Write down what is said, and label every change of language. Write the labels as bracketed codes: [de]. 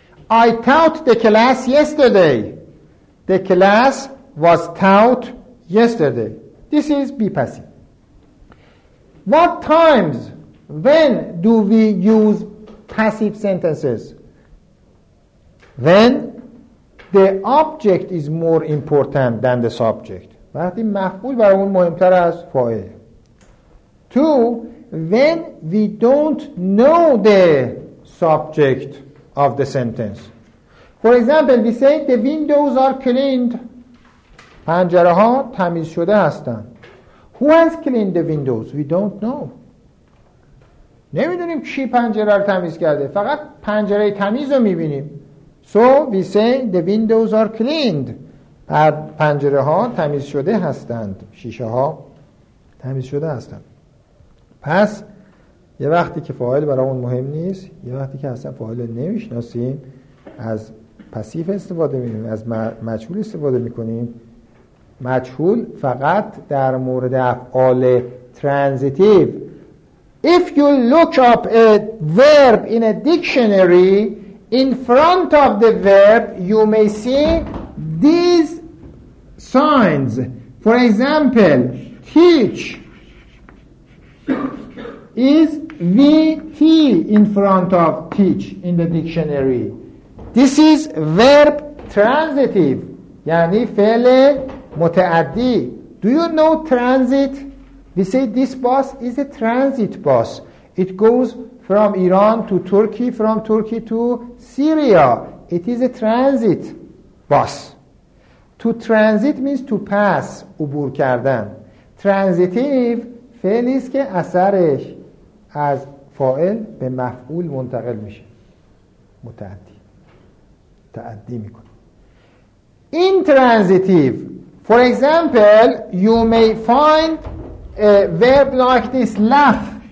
[en] I taught the class yesterday. The class was taught yesterday. This is be passive. What times, when do we use passive sentences? When the object is more important than the subject. [fa] وقتی مفعول برای اون مهمتر از فاعل. [en] Two, when we don't know the subject of the sentence. For example, we say the windows are cleaned. [fa] پنجره ها تمیز شده هستند. [en] Who has cleaned the windows? We don't know. [fa] نمیدونیم کی پنجره رو تمیز کرده. فقط پنجره تمیز رو میبینیم. [en] So we say the windows are cleaned. [fa] پنجره ها تمیز شده هستند. شیشه ها تمیز شده هستند. پس یه وقتی که فاعل برامون مهم نیست، یه وقتی که اصلا فاعل نمیشناسیم، از پسیف استفاده میکنیم، از مجهول استفاده میکنیم. مجهول فقط در مورد افعال ترانزیتیو. [en] If you look up a verb in a dictionary, in front of the verb you may see these signs. For example, teach is VT in front of teach in the dictionary. This is verb transitive, [fa] یعنی فعل متعدی. [en] Do you know transit? We say this bus is a transit bus. It goes from Iran to Turkey, from Turkey to Syria. It is a transit bus. To transit means to pass, [fa] عبور کردن. Transitive فعلی است که اثرش از فاعل به مفعول منتقل میشه. متعدی. تعدی میکنه. Intransitive. [en] For example, you may find a verb like this, laugh.